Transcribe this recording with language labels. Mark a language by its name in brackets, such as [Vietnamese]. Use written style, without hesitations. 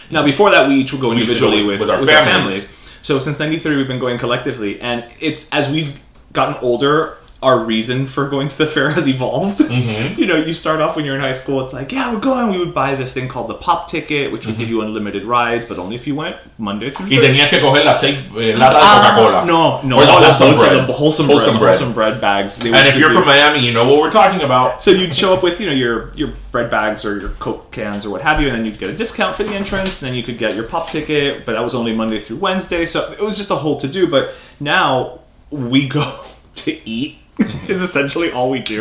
[English] Now, before that, we each would go individually with our families. So since 93, we've been going collectively, and it's as we've gotten older, our reason for going to the fair has evolved. Mm-hmm. You know, you start off when you're in high school, it's like, yeah, we're going. We would buy this thing called the pop ticket, which would give you unlimited rides, but only if you went Monday through Thursday. [Spanish] Y tenías que coger la Coca-Cola. No. [English] The wholesome bread bags. And if you're from Miami, you know what we're talking about. So you'd show up with, you know, your bread bags or your Coke cans or what have you, and then you'd get a discount for the entrance, and then you could get your pop ticket, but that was only Monday through Wednesday, so it was just a whole to-do. But now we go... to eat is essentially all we do.